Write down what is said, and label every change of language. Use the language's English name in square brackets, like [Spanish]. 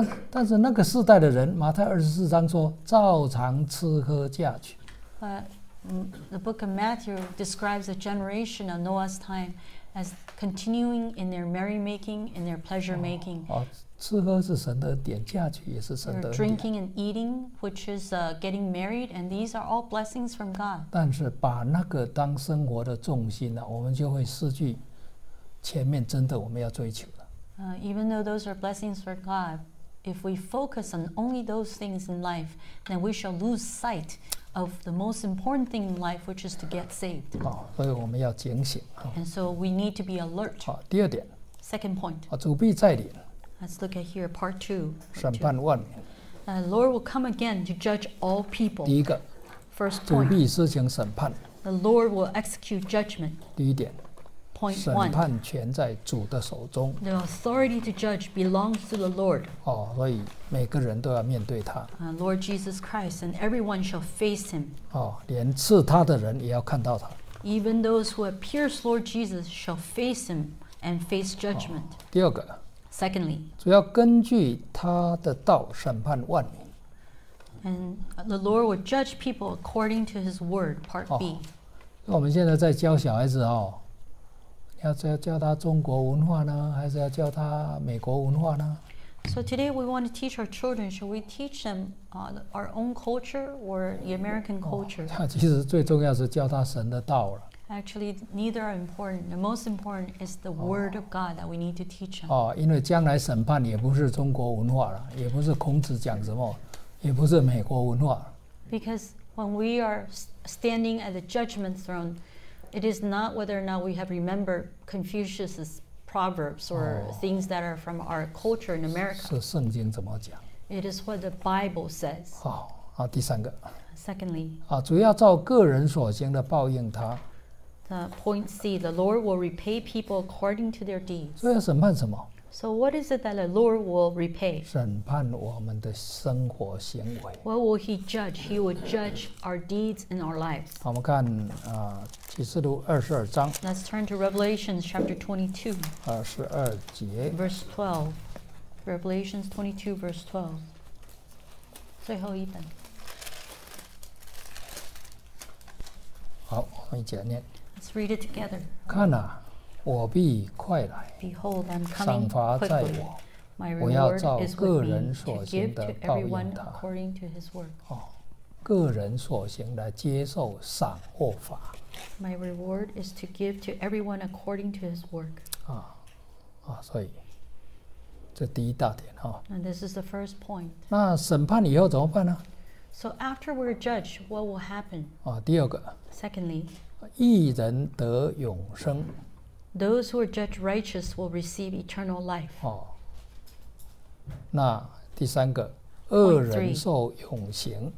[Chinese] 但是那个世代的人，马太二十四章说，照常吃喝嫁娶。 [English] But the book of Matthew describes the generation of Noah's time. As continuing in their merrymaking, in their pleasure making. [Chinese] 吃喝是神的恩典，嫁娶也是神的恩典。 [English] Drinking and eating, which is getting married, and these are all blessings from God. [Chinese] 但是把那个当生活的重心呢，我们就会失去前面真的我们要追求的。 [English] Even though those are blessings from God, if we focus on only those things in life, then we shall lose sight of the most important thing in life, which is to get saved. [Chinese] 所以我们要警醒。 [English] And so we need to be alert. [Chinese] 第二点。 [English] Second point. [Chinese] 主必再临。 [English] Let's look at here part two. [Chinese] 审判万民。 [English] The Lord will come again to judge all people. [Chinese] 第一个。 [English] First point. [Chinese] 主必施行审判。 [English] The Lord will execute judgment. [Chinese] 第一点。 [English] Point one. [Chinese] 审判权在主的手中。 [English] The authority to judge belongs to the Lord. [Chinese] 所以每个人都要面对他。 [English] Lord Jesus Christ, and everyone shall face him. [Chinese] 连刺他的人也要看到他。 [English] Even those who have pierced Lord Jesus shall face him and face judgment. [Chinese] 第二个。 [English] Secondly. [Chinese] 主要根据他的道审判万民。 [English] And the Lord will judge people according to his word, part B. [Chinese] 我们现在在教小孩子要教他中国文化呢，还是要教他美国文化呢？ [English] So today we want to teach our children. Should we teach them our own culture or the American culture? [Chinese] 其实最重要是教他神的道了。 [English] Actually, neither are important. The most important is the word of God that we need to teach them. [Chinese] 因为将来审判也不是中国文化了，也不是孔子讲什么，也不是美国文化。 [English] Because when we are standing at the judgment throne, it is not whether or not we have remembered Confucius's proverbs or things that are from our culture in America. [Chinese] 是圣经怎么讲? [English] It is what the Bible says. [Chinese] 第三个。 [English] Secondly. [Chinese] 主要照个人所行的报应他。 [English] The point C, the Lord will repay people according to their deeds. [Chinese] 所以要审判什么? [English] So what is it that the Lord will repay? [Chinese] 审判我们的生活行为。 [English] What will he judge? He will judge our deeds and our lives. [Chinese] 我们看启示录二十二章。 [English] Let's turn to Revelation chapter 22. [Chinese] 22节。 [English] Verse 12. Revelation 22 verse 12。 [Chinese] 最后一本。好，我们一起来念。 [English] Let's read it together. [Chinese] 看啊，我必快来。 [English] Behold, I'm coming quickly. [Chinese] 赏罚在我。我要照个人所行的报应他。哦，个人所行的接受赏或罚。 [English] My reward is to give to everyone according to his work. [Chinese] 啊，啊，所以这第一大点哈。 [English] And this is the first point. [Chinese] 那审判以后怎么办呢？ [English] So after we're judged, what will happen? [Chinese] 啊，第二个。 [English] Secondly, [Chinese] 义人得永生。 [English] Those who are judged righteous will receive eternal life. [Chinese] 哦，那第三个，恶人受永刑。